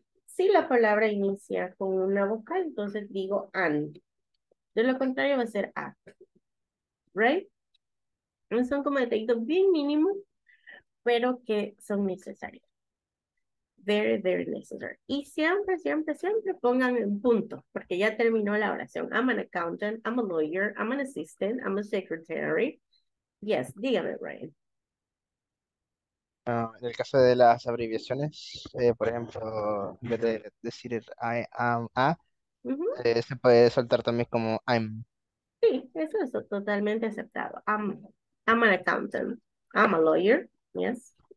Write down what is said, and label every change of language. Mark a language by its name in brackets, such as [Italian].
[Spanish] Si la palabra inicia con una vocal, entonces digo an. De lo contrario va a ser a. [English] Right? [Spanish] Son como detallitos bien mínimos, pero que son necesarios. [English] Very, very necessary. [Spanish] Y siempre pongan un punto, porque ya terminó la oración. [English] I'm an accountant, I'm a lawyer, I'm an assistant, I'm a secretary. [Spanish] Yes, dígame, Brian. En el caso de las abreviaciones, por ejemplo, en vez de decir [English] I am a, [Spanish] mm-hmm. Se puede soltar también como I'm. Sí, eso es totalmente aceptado. [English] I'm an accountant, I'm a lawyer, yes.